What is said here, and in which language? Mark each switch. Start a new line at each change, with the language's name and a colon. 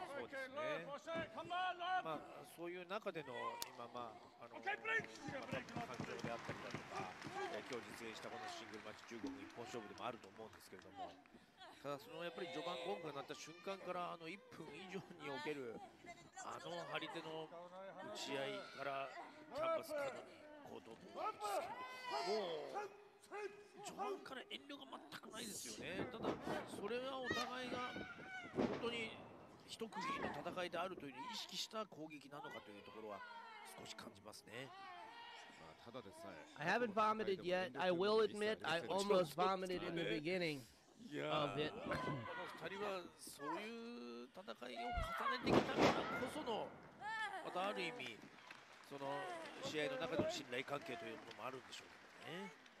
Japanese: そうですね、まあ、そういう中での今、まあ、あの環境であったりだとか、今日実現したこのシングルマッチ中国一本勝負でもあると思うんですけれども、ただそのやっぱり序盤ゴングが鳴った瞬間から、あの1分以上におけるあの張り手の打ち合いからキャンパス角に行動と、もう序盤から遠慮が全くないですよね。ただそれはお互いが本当に一区切りの戦いであるというのを意識した攻撃なのかというところは少し感じますね。ただでさえ
English: I haven't vomited yet. I will admit I almost vomited in the beginning.
Japanese: この二人はそういう戦いを重ねてきたからこその、またある意味その試合の中での信頼関係というのもあるんでしょうけどね。